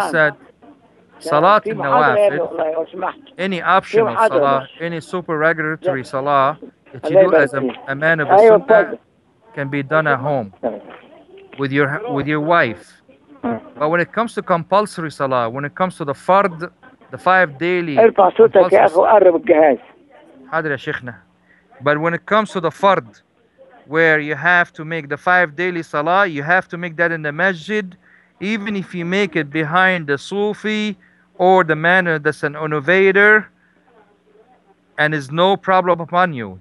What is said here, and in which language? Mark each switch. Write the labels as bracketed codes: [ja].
[en] He said, صلاة النوافل, any optional صلاة, any super regulatory صلاة that you do as a man of a sunnah can be done at home with your wife. But when it comes to compulsory صلاة, when it comes to the fard, the five daily... [ar] ارفع صوتك يا أخو، قرب الجهاز. حاضر يا شيخنا. [en] But when it comes to the fard, where you have to make the five daily salah, you have to make that in the masjid, even if you make it behind the Sufi or the man that's an innovator, and is no problem upon you.